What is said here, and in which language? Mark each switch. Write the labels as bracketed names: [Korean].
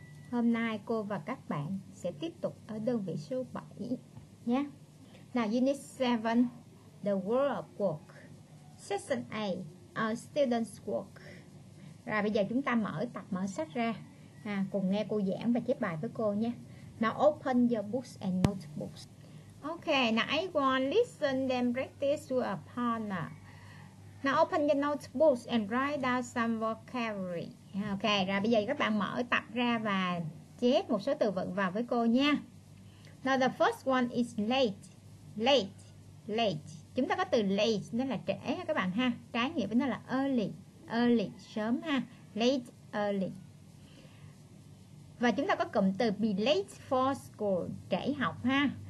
[Vietnamese] Hôm nay cô và các bạn sẽ tiếp tục ở đơn vị số 7 nhé. [English] Now Unit 7, The World of Work, Section A, A Student's Work. [Vietnamese] Rồi bây giờ chúng ta mở tập mở sách ra, cùng nghe cô giảng và chép bài với cô nhé. [English] Now open your books and notebooks. Okay, now I want listen and practice to a partner. Now open your notebooks and write down some vocabulary. [Vietnamese] Okay, rồi bây giờ các bạn mở tập ra và chép một số từ vựng vào với cô nha. [English] Now the first one is late. Late, late. [Vietnamese] Chúng ta có từ late, nó là trễ ha các bạn ha. Trái nghĩa với nó là early. Early, sớm ha. Late, early. Và chúng ta có cụm từ be late for school, trễ học ha.